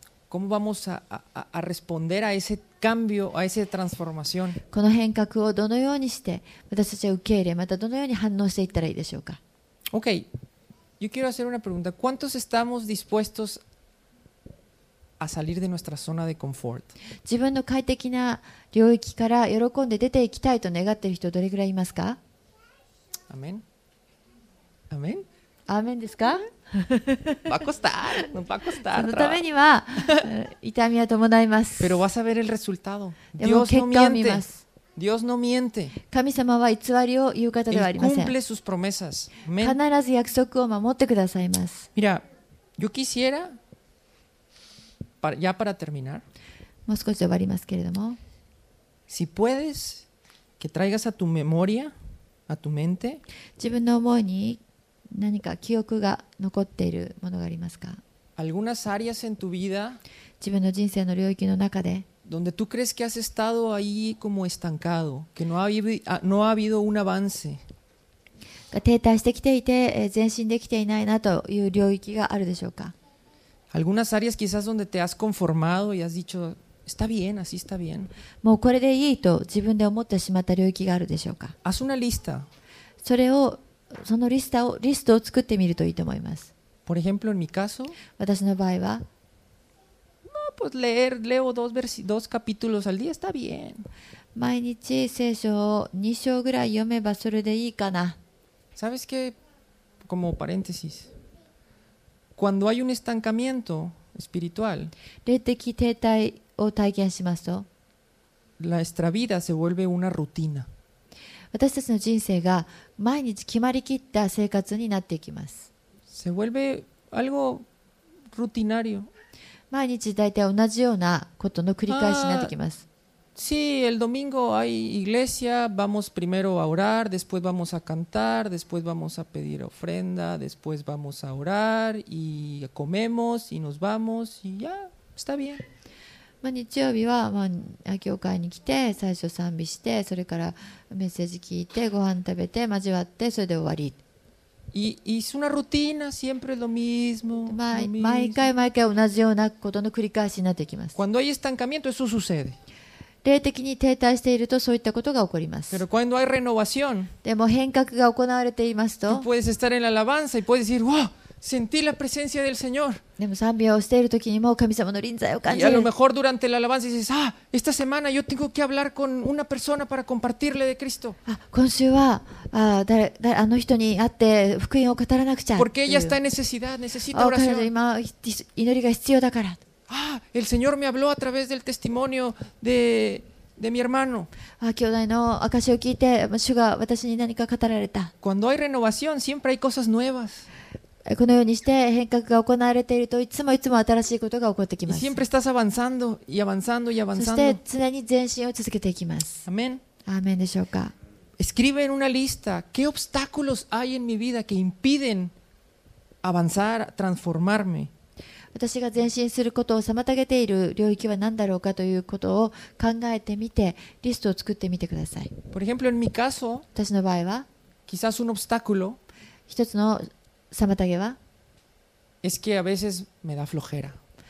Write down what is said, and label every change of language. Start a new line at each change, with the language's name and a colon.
Spanish: ¿Cómo vamos a responder a ese cambio, a esa transformación?
Japanese: この変革をどのようにして私たちは受け入れ、またどのように反応していったらいいでしょうか。
Spanish: OK. Yo quiero hacer una pregunta. ¿Cuántos estamos dispuestos a salir de nuestra zona de confort?
Japanese: 自分の快適な領域から喜んで出ていきたいと願っている人どれくらいいますか。 Amén. アメン？アメンですか？バコスタ、のバコスタ。そのためには痛みは伴います。
Spanish: Pero vas a ver el resultado.
Japanese: でも結果を見ます。
Spanish: Dios no miente.
Japanese: 神様は偽りを言う方ではありません。
Spanish: Él cumple sus promesas.
Japanese: 必ず約束を守ってくださいます。
Spanish: Mira, yo quisiera ya para terminar.
Japanese: もう少し終わりますけれども。
Spanish: Si puedes que traigas a tu memoria. A tu mente?
Japanese: 自分の思いに何か記憶が残っているものがありますか。
Spanish: Algunas áreas en tu vida,
Japanese: 自分の人生の領域の中で、
Spanish: donde tú crees que has estado ahí como estancado, que no ha habido un avance.
Japanese: 停滞してきていて、前進できていないなという領域があるでしょうか。
Spanish: Algunas áreas quizás donde te has conformado y has dicho, está bien, así está bien.
Japanese: もうこれでいいと自分で思ってしまった領域があるでしょうか。
Spanish: Haz una lista.
Japanese: それを、そのリストを作ってみるといいと思います。
Spanish: Por ejemplo, en mi caso,
Japanese: 私の場合は、
Spanish: no, pues leer, leo dos capítulos al día, está bien.
Japanese: 毎日聖書を2章ぐらい読めばそれでいいかな。
Spanish: ¿Sabes qué? Como paréntesis. Cuando hay un estancamiento espiritual,
Japanese: 霊的停滞を体験しますと、
Spanish: nuestra vida se vuelve una rutina.
Japanese: 私たちの人生が毎日決まりきった生活になっていきます。
Spanish: Se vuelve algo rutinario.
Japanese: 毎日大体同じようなことの繰り返しになってきます。
Spanish: Sí, el domingo hay iglesia, vamos primero a orar, después vamos a cantar, después vamos a pedir ofrenda, después vamos a orar y comemos y nos vamos y ya, está bien.
Japanese: 日曜日は教会に来て最初賛美してそれからメッセージ聞いてご飯食べて交わってそれで終わり。
Spanish: Es una rutina, siempre lo mismo.
Japanese: 毎回毎回同じようなことの繰り返しになってきます。
Spanish: Cuando hay estancamiento, eso sucede.
Japanese: 霊的に停滞しているとそういったことが起こります。
Spanish: Pero cuando hay renovación,
Japanese: でも変革が行われていますと、
Spanish: tú puedes estar en la alabanza y puedes decir, wow. Sentí la presencia del Señor.
Japanese: でも賛美をしている時にも神様の臨在を感じる。
Spanish: Y a lo mejor durante la alabanza dices, ah, esta semana yo tengo que hablar con una persona para compartirle de Cristo.
Japanese: 今週は誰あの人に会って福音を語らなくちゃ。
Spanish: Porque ella está en necesidad, necesita oración.
Japanese: 彼女今祈りが必要だから。
Spanish: Ah, el Señor me habló a través del testimonio de mi hermano.
Japanese: 兄弟の証を聞いて主が私に何か語られた。
Spanish: Cuando hay renovación siempre hay cosas nuevas.
Japanese: このようにして変革が行われているといつもいつも新しいことが起こってきます。
Spanish: Siempre estás avanzando y avanzando y avanzando。
Japanese: そして常に前進を続けていきます。アーメン。アーメンでしょうか。
Spanish: Escribe en una lista qué obstáculos hay en mi vida que impiden avanzar, transformarme。
Japanese: 私が前進することを妨げている領域は何だろうかということを考えてみて、リストを作ってみてください。
Spanish: Por ejemplo, en mi caso,
Japanese: 私の場合は、
Spanish: quizás un obstáculo、
Japanese: 一つの妨げは、
Spanish: es que a veces me da flojera。